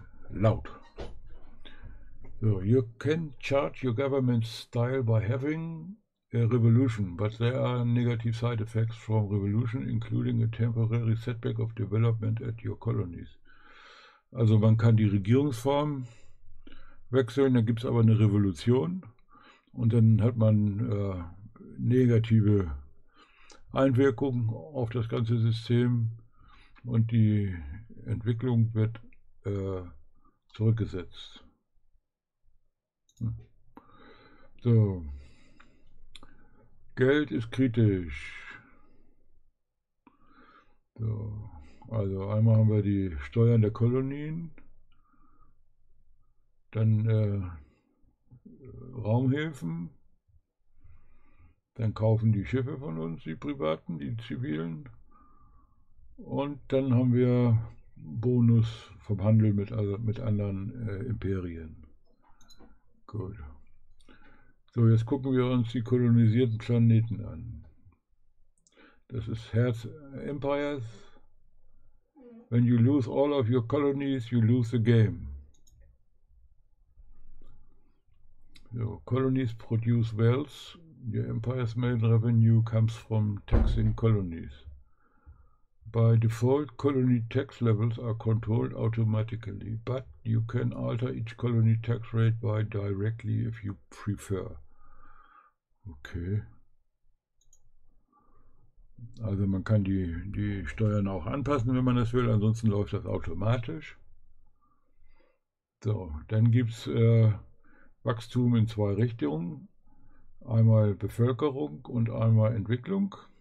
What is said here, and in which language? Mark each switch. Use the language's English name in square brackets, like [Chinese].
[English] Laut. So, you can charge your government style by having a revolution, but there are negative side effects from revolution, including a temporary setback of development at your colonies. [German] Also man kann die Regierungsform wechseln, da gibt es aber eine Revolution und dann hat man negative Einwirkungen auf das ganze System und die Entwicklung wird zurückgesetzt. So. Geld ist kritisch. So. Also einmal haben wir die Steuern der Kolonien, dann Raumhilfen, dann kaufen die Schiffe von uns, die privaten, die zivilen, und dann haben wir Bonus vom Handel mit, also mit anderen Imperien. Gut. So, jetzt gucken wir uns die kolonisierten Planeten an. Das ist Herz Empires. [English] When you lose all of your colonies, you lose the game. So, colonies produce wealth. Your empire's main revenue comes from taxing colonies. By default, colony tax levels are controlled automatically, but you can alter each colony tax rate by directly if you prefer. Okay. [German] Also man kann die Steuern auch anpassen, wenn man das will, ansonsten läuft das automatisch. So, dann gibt es Wachstum in zwei Richtungen. Einmal Bevölkerung und einmal Entwicklung.